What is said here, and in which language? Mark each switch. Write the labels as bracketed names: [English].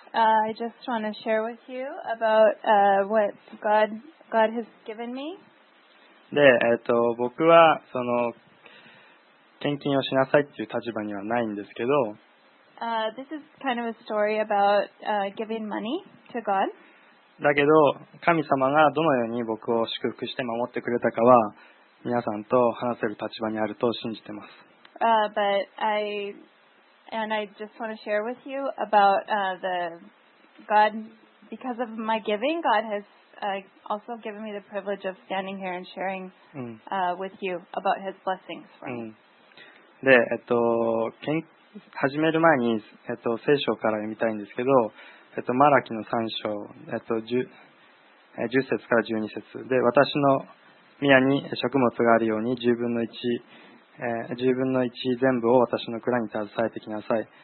[English] I just want to share with you about what God has given me. [Japanese] で僕はその献金をしなさいっていう立場にはないんですけど。 [English] This is kind of a story about giving money to God. [Japanese] だけど神様がどのように僕を祝福して守ってくれたかは皆さんと話せる立場にあると信じてます。 [English] But I just want to share with you about the God because of my giving, God has also given me the privilege of standing here and sharing with you about His blessings for me. で [Japanese] 始める前に、聖書から読みたいんですけど、マラキの3章、10節から12節で、私の宮に食物があるように10分の1全部を私の蔵に携えてきなさい。